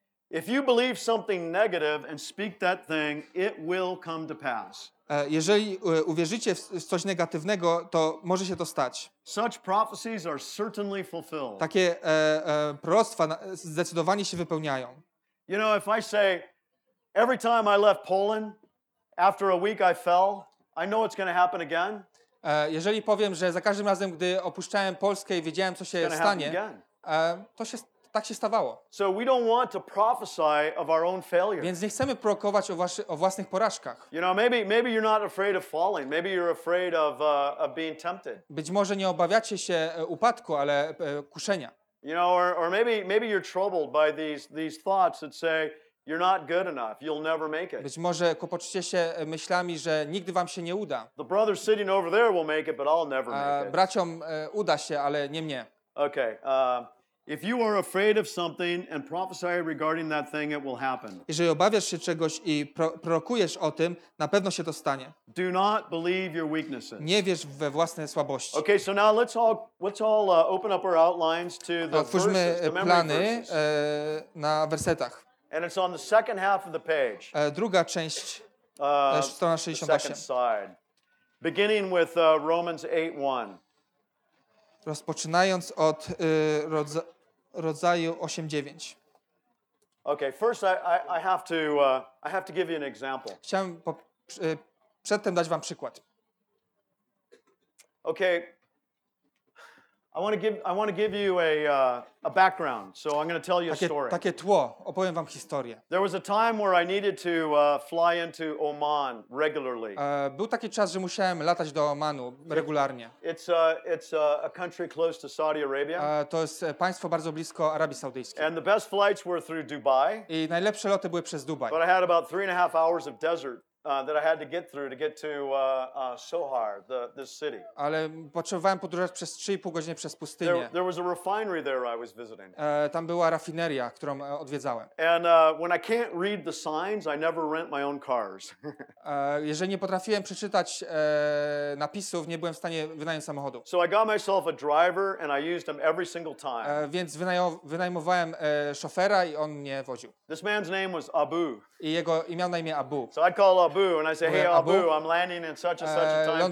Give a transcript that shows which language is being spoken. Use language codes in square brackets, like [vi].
[en] If you believe something negative and speak that thing, it will come to pass. [pl] Jeżeli uwierzycie w coś negatywnego, to może się to stać. [en] Such prophecies are certainly fulfilled. [pl] Takie proroctwa zdecydowanie się wypełniają. [en] You know, if I say every time I left Poland, after a week I fell, I know it's going to happen again. [pl] Jeżeli powiem, że za każdym razem, gdy opuszczałem Polskę i wiedziałem, co się stanie, to się tak się stawało. [en] So we don't want to prophesy of our own failure. [pl] Więc nie chcemy prorokować o własnych porażkach. [en] You know, maybe you're not afraid of falling. Maybe you're afraid of being tempted. [pl] Być może nie obawiacie się upadku, ale kuszenia. [en] You know, or maybe you're troubled by these thoughts that say you're not good enough. You'll never make it. [pl] Być może kłopoczycie się myślami, że nigdy wam się nie uda. [en] The brother sitting over there will make it, but I'll never make it. [pl] Braciom uda się, ale nie mnie. [en] Okay. If you are afraid of something and prophesy regarding that thing, it will happen. [pl] Jeżeli obawiasz się czegoś i prorokujesz o tym, na pewno się to stanie. [en] Do not believe your weaknesses. [pl] Nie wierz we własne słabości. [en] Okay, so now let's all open up our outlines to the verses. [pl] Otwórzmy plany na wersetach. [en] And it's on the second half of the page. [pl] Druga część, strona 68. [en] The second side. Beginning with Romans 8:1. [pl] Rozpoczynając od rodzaju 8:9. [en] Okay, first I have to give you an example. [pl] Chciałem przedtem dać wam przykład. [en] Okay. I want to give you a background. So I'm going to tell you [pl] takie, [en] a story. [pl] Takie tło, opowiem wam historię. [en] There was a time where I needed to fly into Oman regularly. [pl] Był taki czas, że musiałem latać do Omanu regularnie. [en] It's a country close to Saudi Arabia. [pl] To jest państwo bardzo blisko Arabii Saudyjskiej. [en] And the best flights were through Dubai. [pl] I najlepsze loty były przez Dubaj. [en] But I had about 3.5 hours of desert. That I had to get through to get to Sohar, this city. [pl] Ale potrzebowałem podróżować przez 3,5 godziny przez pustynię. [en] There was a refinery there I was visiting. [pl] Tam była rafineria, którą odwiedzałem. [en] And when I can't read the signs, I never rent my own cars. [pl] Jeżeli nie potrafiłem przeczytać napisów, nie byłem w stanie wynająć samochodu. [en] So I got myself a driver and I used him every single time. [pl] Więc wynajmowałem szofera i on mnie woził. [en] This man's name was Abu. [pl] I jego miał na imię Abu. [en] So I call Abu and I say, hey Abu, I'm landing in such and such a time.